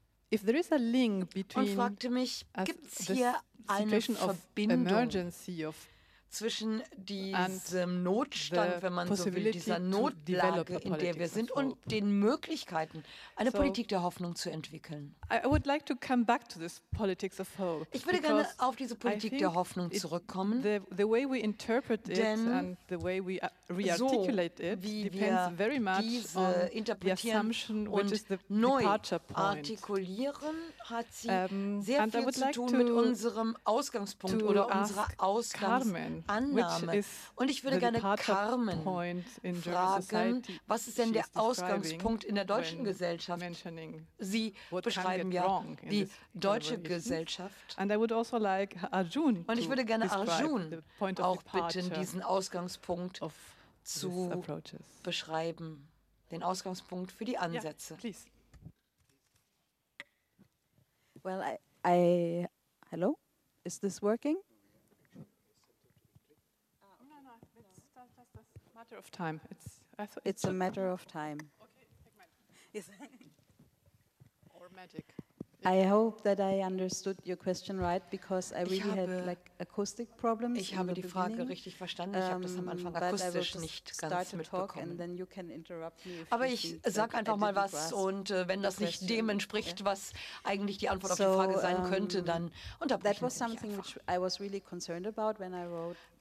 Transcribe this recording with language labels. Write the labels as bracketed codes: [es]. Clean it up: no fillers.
[en] if there is a link between [de] und fragte mich, gibt es hier eine Verbindung zwischen diesem Notstand, wenn man so will, dieser Notlage, in der wir sind, und den Möglichkeiten, eine Politik der Hoffnung zu entwickeln. [en] I would like to come back to this politics of hope. [de] Ich würde gerne auf diese Politik der Hoffnung zurückkommen, [en] the way we interpret it [de] denn [en] and the way we re-articulate it [de] so, wie [en] depends very much [de] diese [en] on the assumption which is the departure point. [de] Artikulieren hat sie sehr viel zu tun mit unserem Ausgangspunkt oder unserer Ausgangsannahme. Und ich würde gerne Carmen fragen, was ist denn der Ausgangspunkt in der deutschen Gesellschaft? Sie beschreiben ja die deutsche Gesellschaft. [en] And I would also like Arjun [de] und ich würde gerne Arjun auch bitten, diesen Ausgangspunkt zu beschreiben, den Ausgangspunkt für die Ansätze. [en] Yeah, well, I hello, is this working? No, no, it's a matter of time. It's a matter of time. Okay, take mine. Yes. Or magic. I hope that I understood your question right, because I really had like acoustic problems. [de] Ich habe die Frage richtig verstanden. Ich habe das am Anfang akustisch nicht ganz mitbekommen. And then you can interrupt me if aber ich sage einfach mal was und wenn das nicht dem entspricht, was eigentlich die Antwort auf die Frage sein könnte, dann unterbreche ich. [en] That was something which I was really concerned about when I wrote.